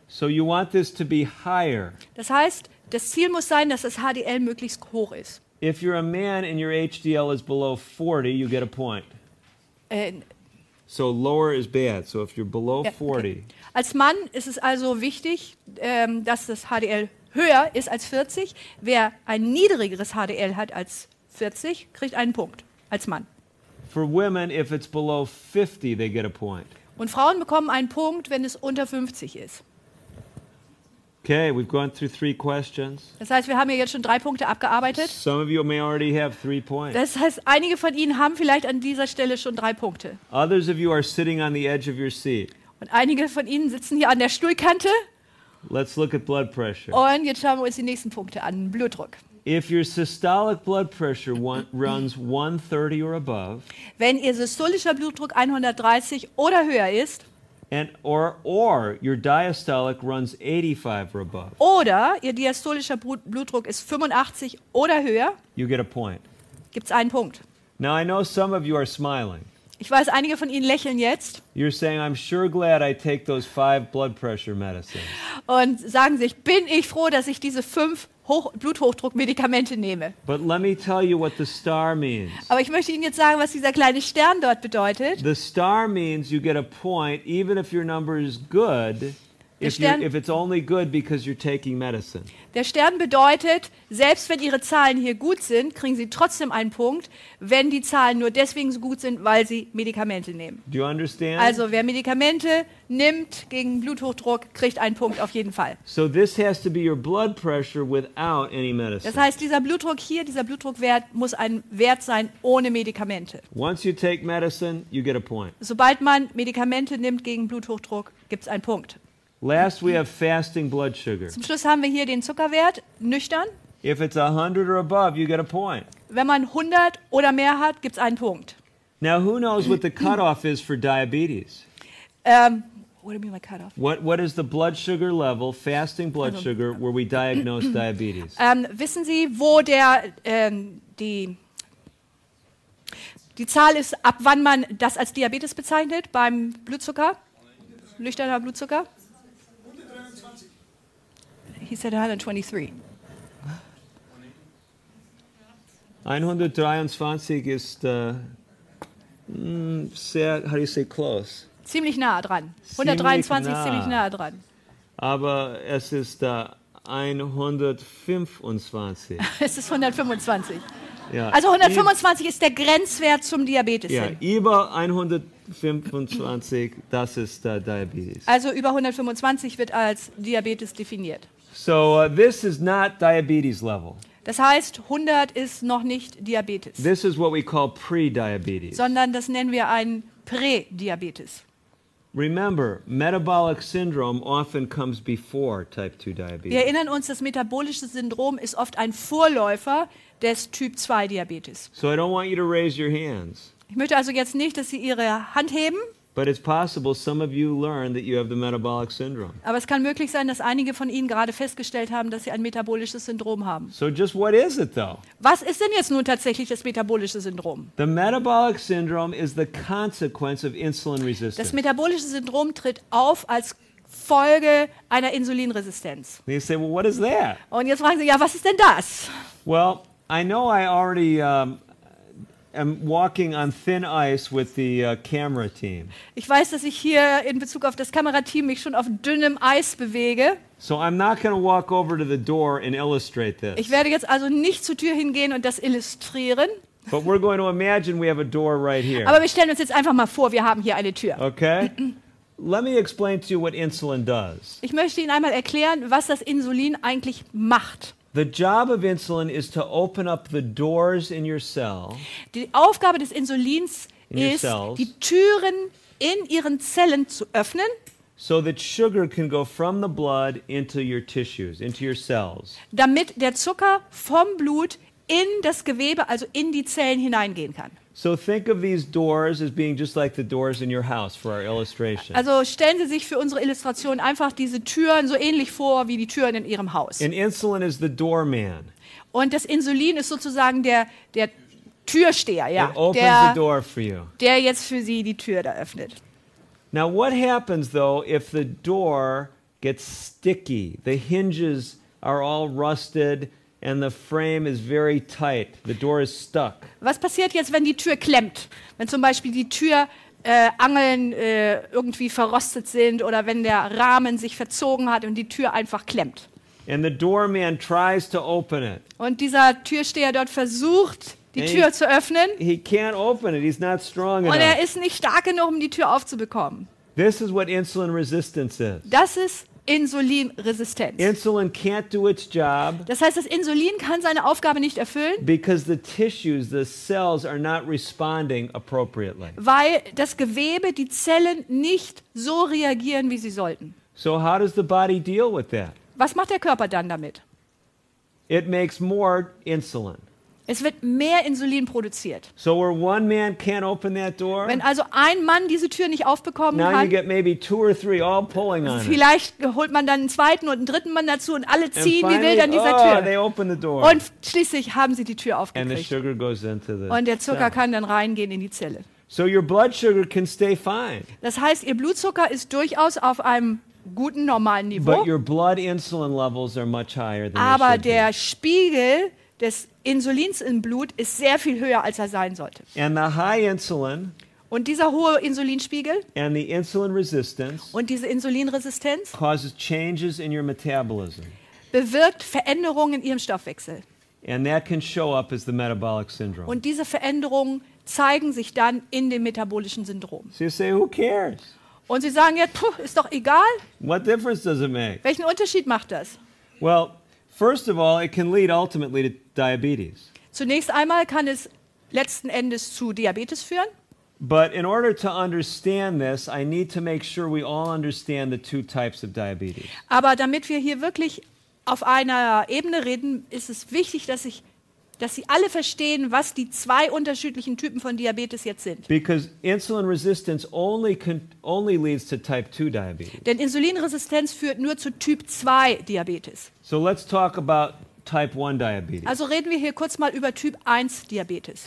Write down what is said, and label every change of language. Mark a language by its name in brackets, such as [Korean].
[English] So you want this to be higher. [German] Das heißt, das Ziel muss sein, dass das HDL möglichst hoch ist. [English] If you're a man and your HDL is below 40, you get a point. So lower is bad. So if you're below 40. [German] Als Mann ist es also wichtig, dass das HDL höher ist als 40. Wer ein niedrigeres HDL hat als 40, kriegt einen Punkt als Mann. [English] For women, if it's below 50, they get a point. [German] Und Frauen bekommen einen Punkt, wenn es unter 50 ist. [English] Okay, we've gone through 3 questions. [German] Das heißt, wir haben ja jetzt schon 3 Punkte abgearbeitet. [English] Some of you may already have 3 points. [German] Das heißt, einige von Ihnen haben vielleicht an dieser Stelle schon 3 Punkte. [English] Others of you are sitting on the edge of your seat. [German] Und einige von Ihnen sitzen hier an der Stuhlkante. [English] Let's look at blood pressure. [German] Und jetzt schauen wir uns die nächsten Punkte an, Blutdruck. [English] If your systolic blood pressure runs 130 or above. [German] Wenn Ihr systolischer Blutdruck 130 oder höher ist. [English] And or your diastolic runs 85 or above. [German] Oder Ihr diastolischer Blutdruck ist 85 oder höher. [English] You get a point. [German] Gibt's einen Punkt. [English] Now I know some of you are smiling. [German] Ich weiß, einige von Ihnen lächeln jetzt. [English] You're saying, I'm sure glad I take those 5 blood pressure medicines. [German] Und sagen sich, bin ich froh, dass ich diese 5 Bluthochdruckmedikamente nehme. [English] But let me tell you what the star means. [German] Aber ich möchte Ihnen jetzt sagen, was dieser kleine Stern dort bedeutet. [English] The star means you get a point, even if your number is good, if it's only good because you're taking medicine. [German] Der Stern bedeutet, selbst wenn Ihre Zahlen hier gut sind, kriegen Sie trotzdem einen Punkt, wenn die Zahlen nur deswegen so gut sind, weil Sie Medikamente nehmen. [English] Do you understand? [German] Also wer Medikamente nimmt gegen Bluthochdruck, kriegt einen Punkt auf jeden Fall. [English] So this has to be your blood pressure without any medicine. [German] Das heißt, dieser Blutdruck hier, dieser Blutdruckwert muss ein Wert sein ohne Medikamente. [English] Once you take medicine, you get a point. [German] Sobald man Medikamente nimmt gegen Bluthochdruck, gibt es einen Punkt. [English] Last we have fasting blood sugar. [German] Zum Schluss haben wir hier den Zuckerwert nüchtern. [English] If it's 100 or above, you get a point. [German] Wenn man 100 oder mehr hat, gibt's einen Punkt. [English] Now who knows what the cutoff is for diabetes? What do you mean by cutoff? What is the blood sugar level, fasting blood sugar, where we diagnose diabetes? [German] Wissen Sie, wo der die Zahl ist, ab wann man das als Diabetes bezeichnet beim Blutzucker, nüchterner Blutzucker? [English] He said [German] 123. 123 ist sehr, [English] how do you say, close? [German] Ziemlich nah dran. 123 ziemlich nah dran. Aber es ist da 125. Es ist 125. Ja, also 125 ist der Grenzwert zum Diabetes. Ja, über 125, das ist der Diabetes. Also über 125 wird als Diabetes definiert. [English] So, this is not diabetes level. [German] Das heißt, 100 ist noch nicht Diabetes. [English] This is what we call pre-diabetes. [German] Sondern das nennen wir ein Prädiabetes. [English] Remember, metabolic syndrome often comes before type 2 diabetes. [German] Wir erinnern uns, das metabolische Syndrom ist oft ein Vorläufer des Typ 2 Diabetes. [English] So I don't want you to raise your hands. [German] Ich möchte also jetzt nicht, dass Sie Ihre Hand heben. [English] But it's possible some of you learn that you have the metabolic syndrome. [German] Aber es kann möglich sein, dass einige von Ihnen gerade festgestellt haben, dass Sie ein metabolisches Syndrom haben. [English] So just what is it though? [German] Was ist denn jetzt nun tatsächlich das metabolische Syndrom? [English] The metabolic syndrome is the consequence of insulin resistance. [German] Das metabolische Syndrom tritt auf als Folge einer Insulinresistenz. [English] And you say, well, what is that? [German] Und jetzt fragen Sie, ja, was ist denn das? [English] Well, I know I already I'm walking on thin ice with the camera team. [German] Ich weiß, dass ich hier in Bezug auf das Kamerateam mich schon auf dünnem Eis bewege. [English] So I'm not going to walk over to the door and illustrate this. [German] Ich werde jetzt also nicht zur Tür hingehen und das illustrieren. [English] But we're going to imagine we have a door right here. [German] Aber wir stellen uns jetzt einfach mal vor, wir haben hier eine Tür. [English] Okay? Let me explain to you what insulin does. [German] Ich möchte Ihnen einmal erklären, was das Insulin eigentlich macht. [English] The job of insulin is to open up the doors in your cell. [German] Die Aufgabe des Insulins ist, die Türen in ihren Zellen zu öffnen. [English] So that sugar can go from the blood into your tissues, into your cells. [German] Damit der Zucker vom Blut in das Gewebe, also in die Zellen hineingehen kann. [English] So think of these doors as being just like the doors in your house for our illustration. [German] Also stellen Sie sich für unsere Illustration einfach diese Türen so ähnlich vor wie die Türen in Ihrem Haus. [English] And insulin is the doorman. [German] Und das Insulin ist sozusagen der Türsteher, ja. [English] It opens the door for you. [German] Der jetzt für Sie die Tür da öffnet. [English] Now what happens though if the door gets sticky? The hinges are all rusted. And the frame is very tight. The door is stuck. [German] Was passiert jetzt, wenn die Tür klemmt? Wenn zum Beispiel die Türangeln irgendwie verrostet sind oder wenn der Rahmen sich verzogen hat und die Tür einfach klemmt? [English] And the doorman tries to open it. [German] Und dieser Türsteher dort versucht, die Tür zu öffnen. [English] He can't open it. He's not strong enough. [German] Und er ist nicht stark genug, um die Tür aufzubekommen. [English] This is what insulin resistance is. [German] Das ist Insulinresistenz. [English] Insulin can't do its job. [German] Das heißt, das Insulin kann seine Aufgabe nicht erfüllen. [English] Because the tissues, the cells are not responding appropriately. [German] Weil das Gewebe, die Zellen nicht so reagieren, wie sie sollten. [English] So how does the body deal with that? [German] Was macht der Körper dann damit? [English] It makes more insulin. [German] Es wird mehr Insulin produziert. [English] So where one man can't open that door, [German] wenn also ein Mann diese Tür nicht aufbekommen [English] now [German] kann, [English] you get maybe two or three all pulling on [German] vielleicht [English] it. [German] Holt man dann einen zweiten und einen dritten Mann dazu und alle ziehen [English] and [German] wie [English] finally, [German] wild an dieser oh, Tür. [English] They open the door. [German] Und schließlich haben sie die Tür aufgekriegt. [English] And the sugar goes into the [German] und der Zucker cell. Kann dann reingehen in die Zelle. [English] So your blood sugar can stay fine. [German] Das heißt, Ihr Blutzucker ist durchaus auf einem guten, normalen Niveau. [English] But your blood insulin levels are much higher than [German] aber [English] they should [German] der [English] be. [German] Spiegel des Insulins im Blut ist sehr viel höher, als er sein sollte. [English] And the high insulin [German] und dieser hohe Insulinspiegel [English] and the insulin resistance [German] und diese Insulinresistenz [English] causes changes in your metabolism. [German] Bewirkt Veränderungen in Ihrem Stoffwechsel. [English] And that can show up as the metabolic syndrome. [German] Und diese Veränderungen zeigen sich dann in dem metabolischen Syndrom. [English] So you say, who cares? [German] Und Sie sagen jetzt, puh, ist doch egal. [English] What difference does it make? [German] Welchen Unterschied macht das? [English] Well, first of all, it can lead ultimately to diabetes. [German] Zunächst einmal kann es letzten Endes zu Diabetes führen. [English] But in order to understand this, I need to make sure we all understand the two types of diabetes. [German] Aber damit wir hier wirklich auf einer Ebene reden, ist es wichtig, dass Sie alle verstehen, was die zwei unterschiedlichen Typen von Diabetes jetzt sind. [English] Because insulin resistance only leads to type 2 diabetes. [German] Denn Insulinresistenz führt nur zu Typ 2 Diabetes. [English] So let's talk about type 1 diabetes. [German] Also reden wir hier kurz mal über Typ 1 Diabetes.